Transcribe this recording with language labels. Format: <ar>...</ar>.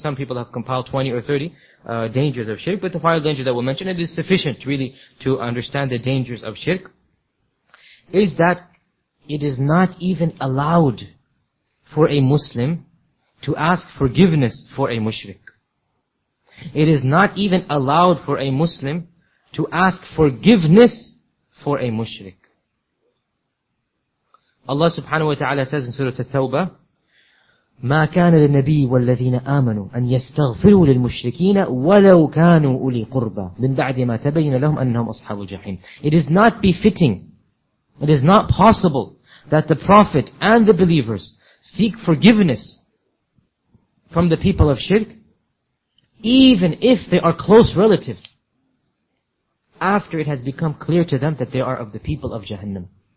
<en>Some people have compiled 20 or 30 dangers of shirk, but the final danger that we'll mention, it is sufficient really to understand the dangers of shirk, is that it is not even allowed for a Muslim to ask forgiveness for a mushrik. It is not even allowed for a Muslim to ask forgiveness for a mushrik. Allah subhanahu wa ta'ala says in Surah At-Tawbah,</en> <ar>مَا كَانَ لِلنَّبِيِّ وَالَّذِينَ آمَنُوا أَنْ يَسْتَغْفِرُوا لِلْمُشْرِكِينَ وَلَوْ كَانُوا أُولِي قُرْبَى مِنْ بَعْدِ مَا تَبَيْنَ لَهُمْ أَنَّهُمْ أَصْحَابُ الْجَحِيمِ.</ar> <en>It is not befitting, it is not possible that the Prophet and the believers seek forgiveness from the people of shirk, even if they are close relatives, after it has become clear to them that they are of the people of Jahannam.</en>